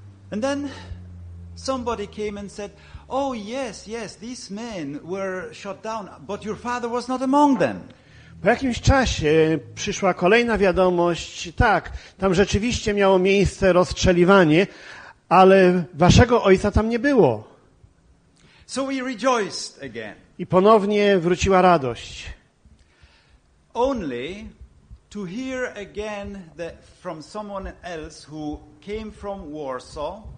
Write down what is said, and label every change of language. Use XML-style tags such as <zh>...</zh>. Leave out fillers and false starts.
<en>And then somebody came and said, oh yes, yes, these men were shot down, but your father was not among them.</en> <pl>Po jakimś czasie przyszła kolejna wiadomość, tak, tam rzeczywiście miało miejsce rozstrzeliwanie, ale waszego ojca tam nie było.</pl> <en>So we rejoiced again.</en> <pl>I ponownie wróciła radość.</pl> <en>Only to hear again that from someone else who came from Warsaw.</en>